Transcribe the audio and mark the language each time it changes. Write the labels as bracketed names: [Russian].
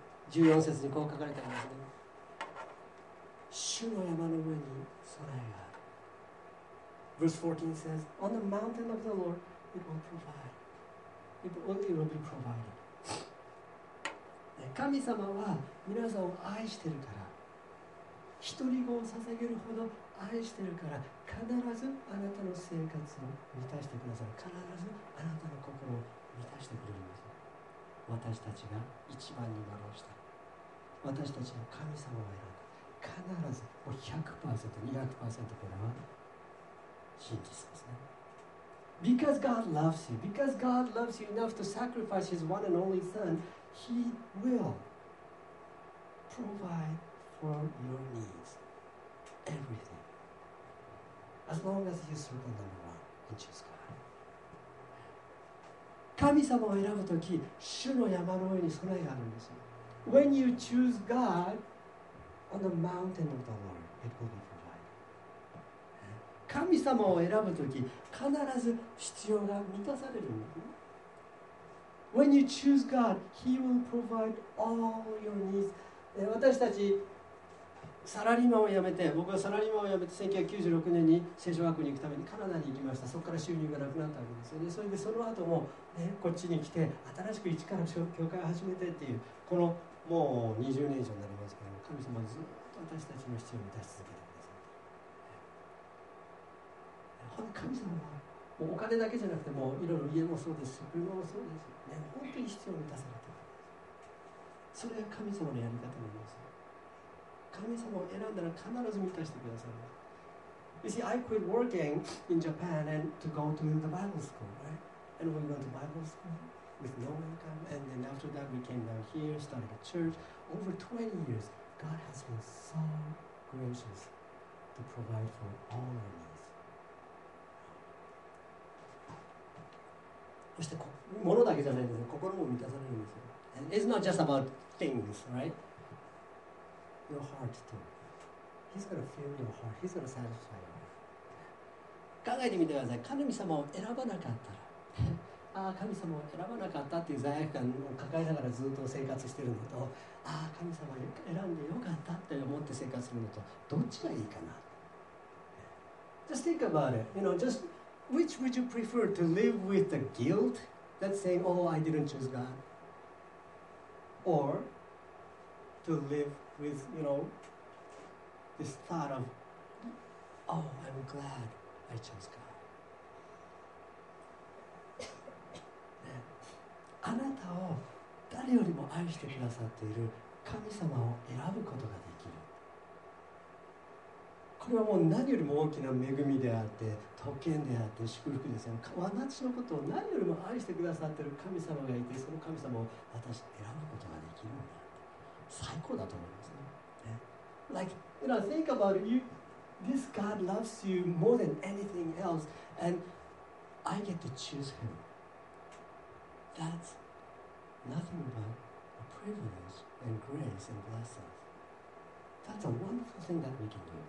[Japanese] 14節にこう書かれてありますね。主の山の上に備えがある。 [English] Verse 14 says, On the mountain of the Lord, it will provide. [Japanese] 神様は皆さんを愛してるから一人子を捧げるほど愛してるから必ずあなたの生活を満たしてくださる必ずあなたの心を満たしてくれるんです私たちが一番に笑うした私たちが神様を選んだ必ず 100%、200% これは真実ですね [English] Because God loves you, because God loves you enough to sacrifice His one and only Son, He will provide for your needs, everything, as long as you circle number one and choose God. [Japanese] 神様を選ぶとき、主の山の上に備えがあるんですよ。 [English] When you choose God, on the mountain of the Lord, it will be provided. [Japanese] 神様を選ぶとき、必ず必要が満たされるんだ。 [English] When you choose God, He will provide all your needs. [Japanese] 私たち、サラリーマンを辞めて、僕はサラリーマンを辞めて、1996年に聖書学校に行くためにカナダに行きました。そこから収入がなくなったわけですよね。それでその後も、ね、こっちに来て、新しく一から教会を始めてっていう、このもう20年以上になりますけども、神様はずっと私たちの必要を満たし続けて、神様はもうお金だけじゃなくてもういろいろ家もそうですし車もそうですし、ね、本当に必要を満たされてるんですそれが神様のやり方なんです神様を選んだら必ず満たしてくださる [English] You see, I quit working in Japan and to go to the Bible school, right? And we went to Bible school with no income and then after that we came down here, started a church Over 20 years, God has been so gracious to provide for all our needs. [Japanese] そして物だけじゃないですよ。心も満たされるんですよ。 [English] And it's not just about things, right? Your heart too. He's gonna fill your heart. He's gonna satisfy your heart. [Japanese] 考えてみてください。神様を選ばなかったら、ああ神様を選ばなかったっていう罪悪感を抱えながらずっと生活してるのと、ああ神様を選んでよかったって思って生活するのと、どっちがいいかな。 [English] Just think about it. You know, just. Which would you prefer to live with the guilt that's saying, oh, I didn't choose God? Or to live with, you know, this thought of, oh, I'm glad I chose God. [Japanese] あなたを誰よりも愛してくださっている神様を選ぶことができる。これはもう何よりも大きな恵みであって、特権であって、祝福ですよ。私のことを何よりも愛してくださっている神様がいて、その神様を私選ぶことができるんだ。最高だと思いますね。 [English] Like, you know, think about it. This God loves you more than anything else, and I get to choose Him. That's nothing but a privilege and grace and blessings. That's a wonderful thing that we can do.